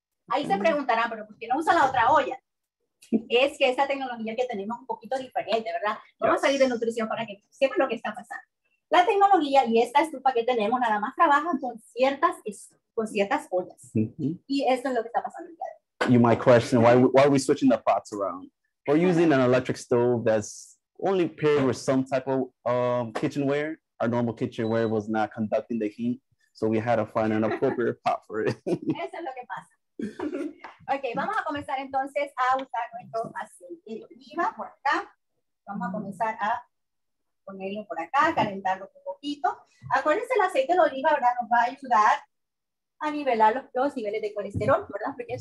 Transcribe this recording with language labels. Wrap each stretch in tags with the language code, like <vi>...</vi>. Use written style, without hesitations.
<es>Ahí se preguntarán, pero ¿por qué no usa la otra olla? Es que esa tecnología que tenemos es un poquito diferente, ¿verdad? Vamos a salir de nutrición para que sepan lo que está pasando. La tecnología y esta estufa que tenemos nada más trabaja con ciertas ollas. Mm-hmm. Y esto es lo que está pasando.</es> <en>You might question, why are we switching the pots around? We're using an electric stove that's only paired with some type of kitchenware. Our normal kitchenware was not conducting the heat, so we had to find an appropriate pot for it.</en> <es>Eso es lo que pasa. Ok, vamos a comenzar entonces a usar nuestro aceite de oliva por acá. Vamos a comenzar a ponerlo por acá, calentarlo un poquito. Acuérdense, el aceite de oliva, ¿verdad?, nos va a ayudar a nivelar los niveles de colesterol, ¿verdad?</es>